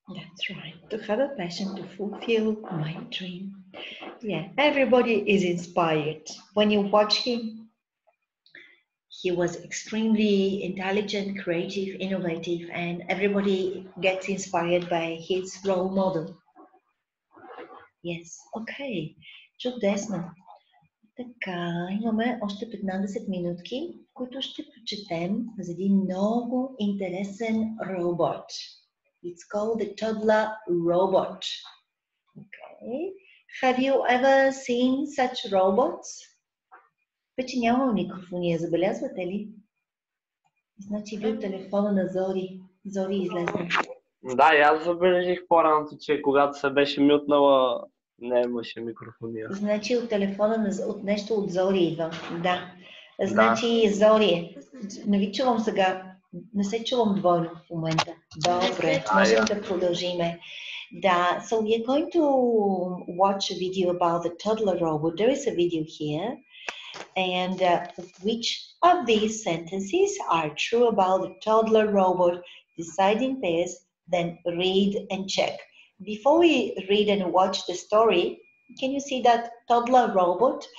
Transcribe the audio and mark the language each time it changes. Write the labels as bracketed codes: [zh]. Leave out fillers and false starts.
[en] That's right. To have a passion to fulfill my dream. Yeah, everybody is inspired. When you watch him, he was extremely intelligent, creative, innovative, and everybody gets inspired by his role model. Yes. Okay. [bg] Чудесно. Така, имаме още 15 минутки, които ще прочетем за един много интересен робот. [en] It's called the Toddler Robot. Okay. Have you ever seen such robots? [bg] Вече няма микрофони, забелязвате ли? Значи бил телефона на Зори. Зори излезе. Да, аз забележих по-рано, че когато се беше мютнала, не имаше микрофония. Значи от телефона на нещо от Зори идва. Да. Значи да. Зори, не ви чувам сега. Не се чувам двойно в момента. Добре, можем да продължиме. [en] Да, so we are going to watch a video about the toddler robot. There is a video here. And which of these sentences are true about the toddler robot? Deciding pairs, then read and check. Before we read and watch the story, can you see that toddler robot?